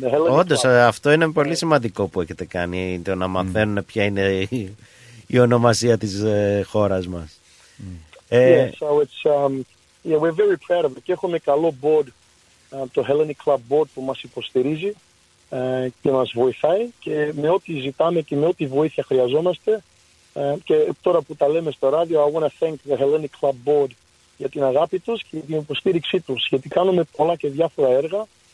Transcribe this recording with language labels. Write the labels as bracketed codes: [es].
[el] Όντως, αυτό είναι πολύ σημαντικό που έχετε κάνει, το να μαθαίνουν ποια είναι η ονομασία της χώρας μας. [en] Yeah, so it's, yeah, we're very proud of it. [el] Και έχουμε καλό board, το Hellenic Club board που μας υποστηρίζει και μας βοηθάει και με ό,τι ζητάμε και με ό,τι βοήθεια χρειαζόμαστε. Και τώρα που τα λέμε στο ράδιο, [en] I want to thank the Hellenic Club board [el] για την αγάπη τους και την υποστήριξή τους, γιατί κάνουμε πολλά και διάφορα έργα.